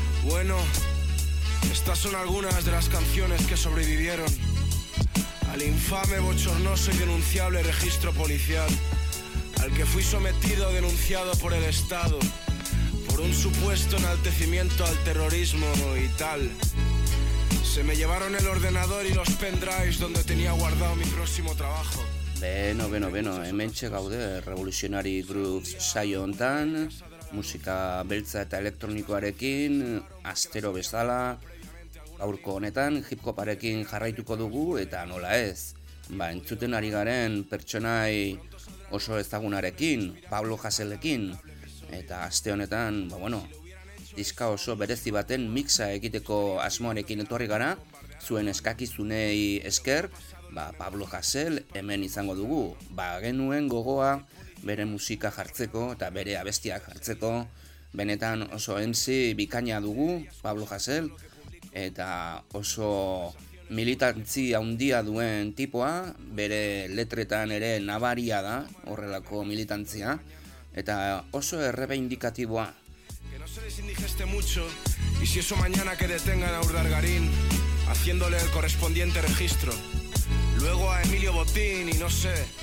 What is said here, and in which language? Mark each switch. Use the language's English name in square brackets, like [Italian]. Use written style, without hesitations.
[Spanish] Bueno, estas son algunas de las canciones que sobrevivieron al infame, bochornoso y denunciable registro policial, al que fui sometido, denunciado por el Estado, por un supuesto enaltecimiento al terrorismo y tal. Se me llevaron el ordenador y los pendrives donde tenía guardado mi próximo trabajo. [Basque] Bueno, hementxe gaude, Revolutionary Grooves saio hontan, musika beltza eta elektronikoarekin, astero bezala, aurko honetan hip-hoparekin jarraituko dugu, eta nola ez, ba, entzuten ari garen pertsonai oso ezagunarekin, Pablo Hasellekin, eta aste honetan, ba bueno, diska oso berezi baten mixa egiteko asmoarekin etorri gara, zuen eskakizunei esker, ba, Pablo Hasell hemen izango dugu, ba, genuen gogoa bere musika jartzeko eta bere abestiak jartzeko, benetan oso MC bikaina dugu Pablo Hasell, eta oso militantzi handia duen tipoa, bere letretan ere nabaria da horrelako militantzia, eta oso errebeindikatiboa. [Spanish] Que no se les indigeste mucho, y si eso mañana que detengan a Urdargarín, haciéndole el correspondiente registro, luego a Emilio Botín y no sé.